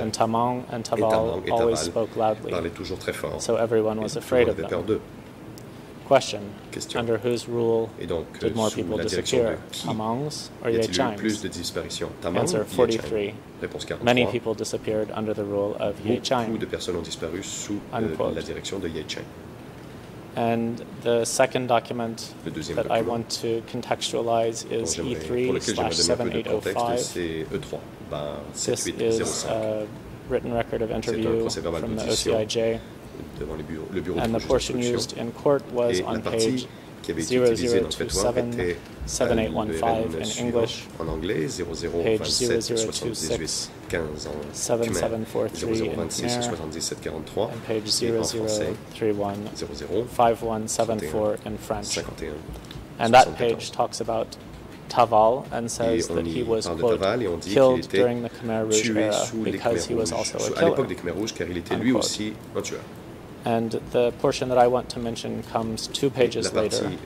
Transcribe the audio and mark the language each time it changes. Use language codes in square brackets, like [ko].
[en] And Ta Mang and Ta Val always spoke loudly, so everyone was afraid of them. Question. Question. Under whose rule did more people disappear? Tamang's or Ye Chaim's? Answer, 43. Many people disappeared under the rule of Ye Chaim. [fr] Beaucoup de personnes ont disparu sous la direction de Ye Chaim. [en] And the second document that I want to contextualize is E3/7805. This is a written record of interview from the OCIJ. [fr] Devant les bureaux, le bureau [en] and [fr] de [en] the portion used in court was on page 0027-7815 in English, [fr] en anglais, 0027-7743 [en] in page 0031-5174 in French. 51, and that page talks about Taval and says that he was, quote, Taval, killed during the Khmer Rouge era because he was also a killer, [fr] des Khmer Rouge, car il était lui aussi un tueur. [en] And the portion that I want to mention comes two pages later.